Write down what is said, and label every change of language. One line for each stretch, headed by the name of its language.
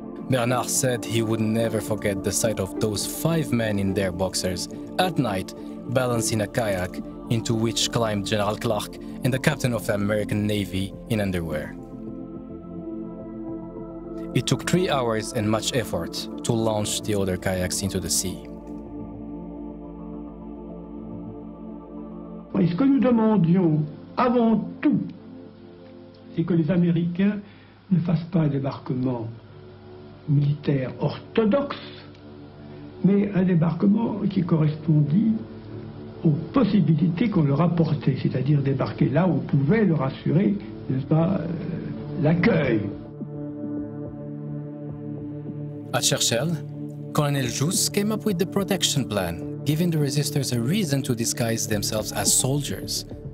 English: Bernard said he would never forget the sight of those five men in their boxers at night balancing a kayak into which climbed General Clark and the captain of the American Navy in underwear. It took 3 hours and much effort to launch the other kayaks into the sea.
French: Ce que nous demandions avant tout, c'est que les Américains ne fassent pas un débarquement militaire orthodoxe, mais un débarquement qui correspondit aux possibilités qu'on leur apportait, c'est-à-dire débarquer là où on pouvait leur assurer, n'est-ce pas, l'accueil.
English: À Cherchel, Colonel Jousse came up with the protection plan, giving the resistors a reason to disguise themselves as soldiers.